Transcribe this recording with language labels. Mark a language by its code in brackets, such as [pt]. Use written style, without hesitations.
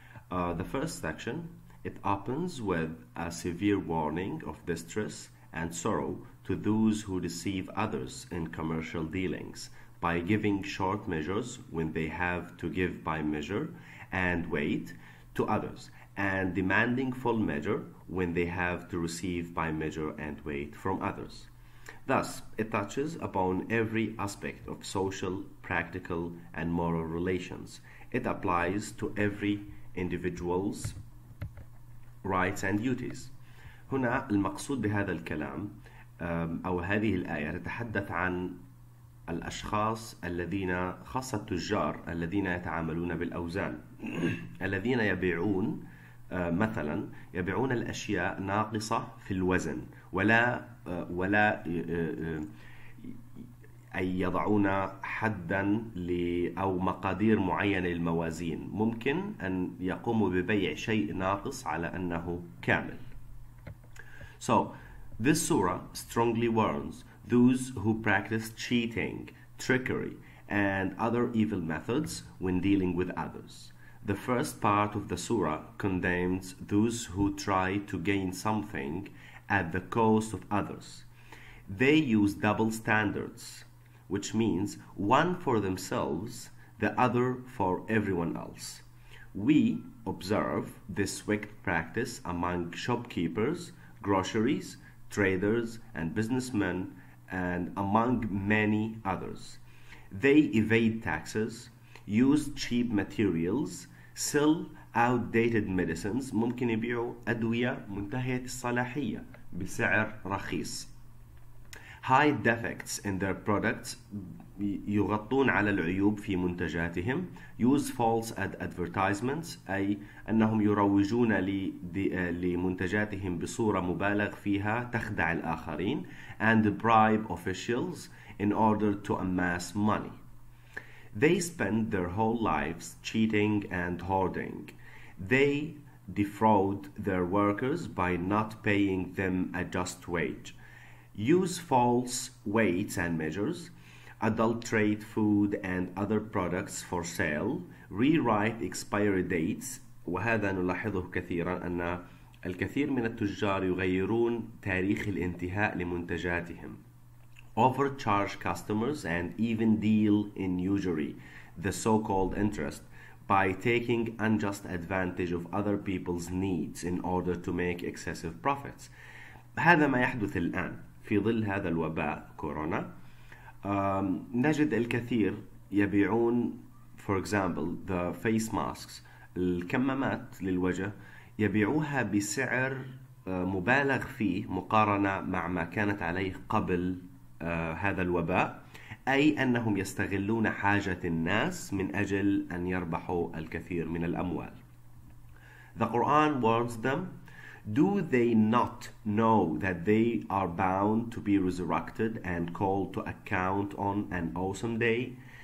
[en] The first section, it opens with a severe warning of distress and sorrow to those who deceive others in commercial dealings by giving short measures when they have to give by measure and weight to others, and demanding full measure when they have to receive by measure and weight from others. Thus, it touches upon every aspect of social, practical, and moral relations. It applies to every individual's rights and duties. [ar] هنا المقصود بهذا الكلام أو هذه الآية تتحدث عن الأشخاص الذين خاصة التجار الذين يتعاملون بالأوزان الذين يبيعون مثلا يبيعون الأشياء ناقصة في الوزن ولا أي يضعون حدا أو مقادير معينة للموازين ممكن أن يقوموا ببيع شيء ناقص على أنه كامل. [en] So, this surah strongly warns those who practice cheating, trickery, and other evil methods when dealing with others. The first part of the surah condemns those who try to gain something at the cost of others. They use double standards, which means one for themselves, the other for everyone else. We observe this wicked practice among shopkeepers, groceries, traders, and businessmen, and among many others. They evade taxes, use cheap materials, sell outdated medicines, [ar] ممكن يبيعوا أدوية منتهية الصلاحية بسعر رخيص. [en] Hide defects in their products, [ar] يغطون على العيوب في منتجاتهم. [en] Use false advertisements, [ar] أي أنهم يروجون لمنتجاتهم بصورة مبالغ فيها تخدع الآخرين. [en] And bribe officials in order to amass money. They spend their whole lives cheating and hoarding. They defraud their workers by not paying them a just wage. Use false weights and measures, adulterate food and other products for sale, rewrite expiry dates. [ar] وهذا نلاحظه كثيرا أن الكثير من التجار يغيرون تاريخ الانتهاء لمنتجاتهم. [en] Overcharge customers and even deal in usury, the so-called interest, by taking unjust advantage of other people's needs in order to make excessive profits. [ar] هذا ما يحدث الآن. في ظل هذا الوباء كورونا نجد الكثير يبيعون [en] for example the face masks [ar] الكمامات للوجه يبيعوها بسعر مبالغ فيه مقارنة مع ما كانت عليه قبل هذا الوباء أي أنهم يستغلون حاجة الناس من أجل أن يربحوا الكثير من الأموال. [en] The Quran warns them, do they not know that they are bound to be resurrected and called to account on an awesome day?